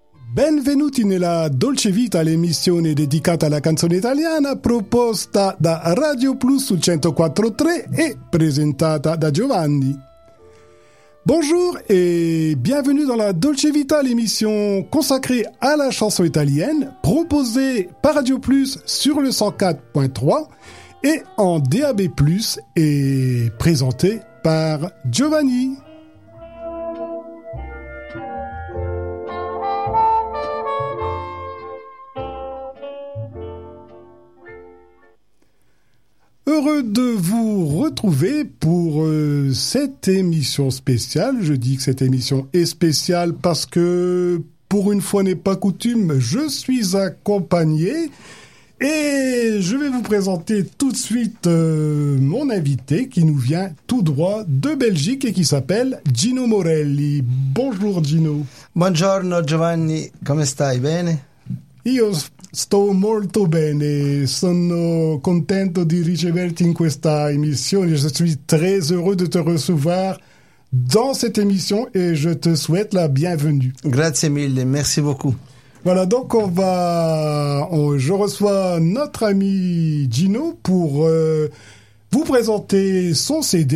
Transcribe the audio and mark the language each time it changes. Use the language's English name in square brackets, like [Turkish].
[Italian] Benvenuti nella Dolce Vita, l'emissione dedicata alla canzone italiana proposta da Radio Plus sul 104.3 e presentata da Giovanni. [French] Bonjour et bienvenue dans la Dolce Vita, l'émission consacrée à la chanson italienne proposée par Radio Plus sur le 104.3 et en DAB Plus et présentée par Giovanni. Heureux de vous retrouver pour cette émission spéciale. Je dis que cette émission est spéciale parce que, pour une fois n'est pas coutume, je suis accompagné et je vais vous présenter tout de suite mon invité qui nous vient tout droit de Belgique et qui s'appelle Gino Morelli. Bonjour Gino. [Italian] Buongiorno Giovanni, come stai? Bene? Io sto molto bene, sono contento di riceverti in questa emissione. [French] Je suis très heureux de te recevoir dans cette émission et je te souhaite la bienvenue. [Italian] Grazie mille, merci beaucoup. [French] Voilà, donc je reçois notre ami Gino pour vous présenter son CD.